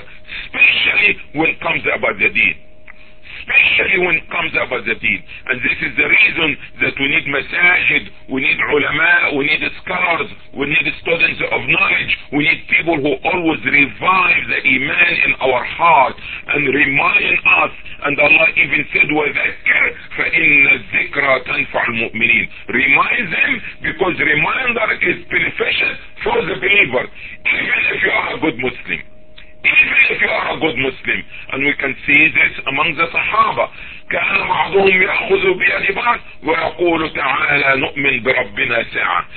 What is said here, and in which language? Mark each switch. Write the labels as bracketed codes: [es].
[en] Especially when it comes about the deen. Especially when it comes about the deen. And this is the reason that we need masajid, we need ulama, we need scholars, we need students of knowledge, we need people who always revive the iman in our heart and remind us. And Allah even said, [ar] وَذَكِّرْ فَإِنَّ الذِّكْرَ تَنْفَعُ الْمُؤْمِنِينَ. [en] Remind them, because reminder is beneficial for the believer, even if you are a good Muslim. Even if you are a good Muslim, and we can see this among the Sahaba, [ar] كان بعضهم يأخذ بيد بعض ويقول تعالى نؤمن بربنا ساعة.